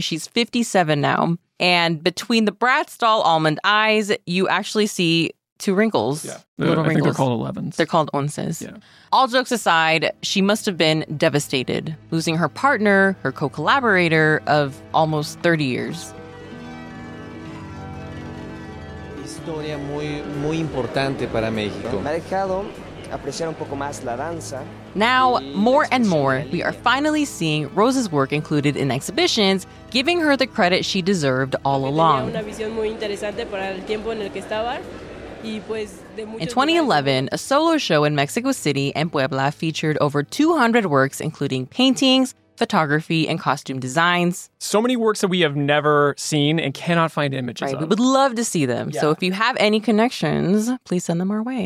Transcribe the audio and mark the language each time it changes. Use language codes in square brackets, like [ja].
[en] She's 57 now. And between the Bratz doll almond eyes, you actually see two wrinkles. Yeah. Little wrinkles. I think they're called 11s. They're called onces. Yeah. All jokes aside, she must have been devastated, losing her partner, her co-collaborator of almost 30 years. [es] Historia muy, muy importante para México. Me ha dejado apreciar un poco más la danza. [en] Now, more and more, we are finally seeing Rosa's work included in exhibitions, giving her the credit she deserved all along. [es] Tenía una visión muy interesante para el tiempo en el que estaba. [en] In 2011, a solo show in Mexico City and Puebla featured over 200 works, including paintings, photography, and costume designs. So many works that we have never seen and cannot find images of. We would love to see them. Yeah. So if you have any connections, please send them our way.